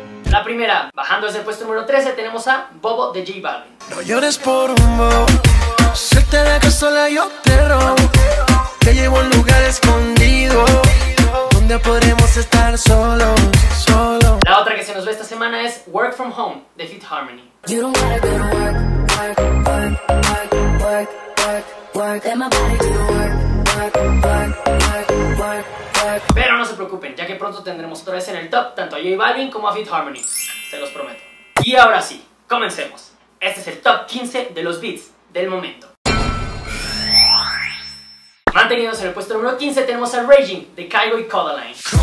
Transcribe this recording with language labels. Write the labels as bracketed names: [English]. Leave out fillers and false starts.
[Spanish] La primera, bajando desde el puesto número 13, tenemos a Bobo de J Balvin. No llores por un bobo, suelta la consola, yo te robo. Te llevo a un lugar escondido, donde podremos estar solos, solo. La otra que se nos ve esta semana es Work From Home de Fifth Harmony. [English] You don't wanna go to work, work, work, work, work, work, work. Let my body do the work. [Spanish] Pero no se preocupen, ya que pronto tendremos otra vez en el top tanto a J Balvin como a Fifth Harmony, se los prometo. Y ahora sí, comencemos. Este es el top 15 de los beats del momento. Manteniéndose en el puesto número 15 tenemos a Raging de Kygo y Codaline.